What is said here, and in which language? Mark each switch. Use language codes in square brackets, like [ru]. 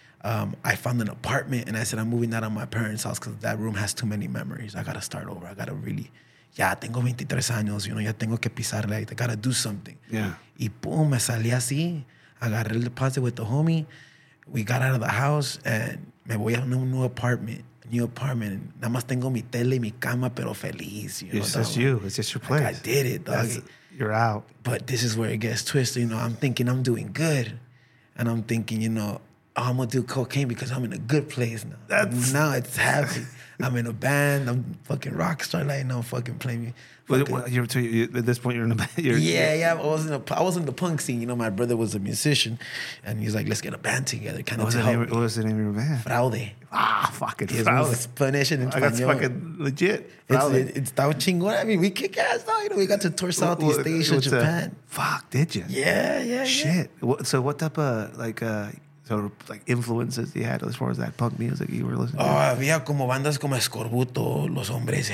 [en] I found an apartment and I said, I'm moving out of my parents' house because that room has too many memories. I got to start over. I got to really, [es] tengo 23 años, [en] you know, [es] ya tengo que pisar, [en] like, I got to do something. Yeah. [es] Y boom, me salí así. [en] I got a deposit with the homie. We got out of the house and [es] me voy a [en] new apartment. new apartment. [es] Nada más tengo mi tele y mi cama, pero feliz. [en] You know, it's just you. It's just your place. Like, I did it, dog. You're out. But this is where it gets twisted. You know, I'm thinking I'm doing good. And I'm thinking, you know, oh, I'm going to do cocaine because I'm in a good place now. That's... Now it's happy. I'm in a band. I'm fucking rock star. Like, no, I'm fucking playing me. At this point, you're in a band. I was in the punk scene. You know, my brother was a musician. And he's like, let's get a band together. Kind of what was the name of your band? Fraude. Ah, fucking Fraude. It was Spanish and Español. That's fucking legit. It's Tao Ching. What I mean, we kick ass, though. You know, we got to tour Southeast Asia, Japan. Fuck, did you? Yeah. Shit. So what type of, like influences he had as far as that punk music you were listening to? [es] Oh, había como bandas como Escorbuto, Los Hombres G.